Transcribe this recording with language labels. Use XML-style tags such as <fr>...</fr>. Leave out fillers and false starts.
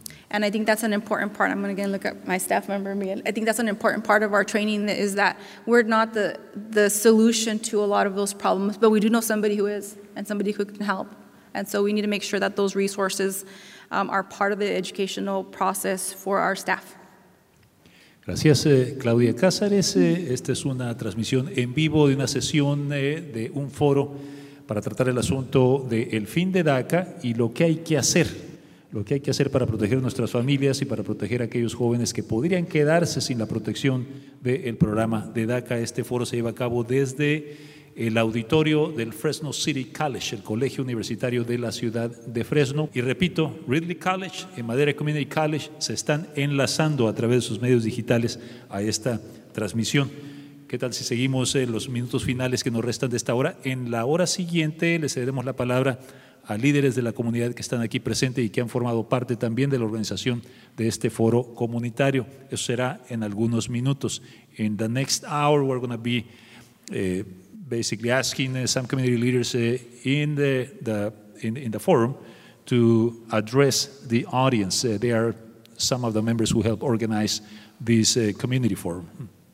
<en>And I think that's an important part. I'm gonna look at my staff member, Miguel. I think that's an important part of our training, is that we're not the solution to a lot of those problems, but we do know somebody who is and somebody who can help. And so we need to make sure that those resources are part of the educational process for our staff.</en> <es>Gracias, Claudia Cáceres. Esta es una transmisión en vivo de una sesión de un foro para tratar el asunto del fin de DACA y lo que hay que hacer. Lo que hay que hacer para proteger nuestras familias y para proteger a aquellos jóvenes que podrían quedarse sin la protección del programa de DACA. Este foro se lleva a cabo desde el auditorio del Fresno City College, el colegio universitario de la ciudad de Fresno. Y repito, Ridley College y Madera Community College se están enlazando a través de sus medios digitales a esta transmisión. ¿Qué tal si seguimos en los minutos finales que nos restan de esta hora? En la hora siguiente le cederemos la palabra a líderes de la comunidad que están aquí presentes y que han formado parte también de la organización de este foro comunitario. Eso será en algunos minutos.</es> <en>In the next hour, we're going to be basically asking some community leaders in the forum to address the audience. They are some of the members who help organize this community forum.</en>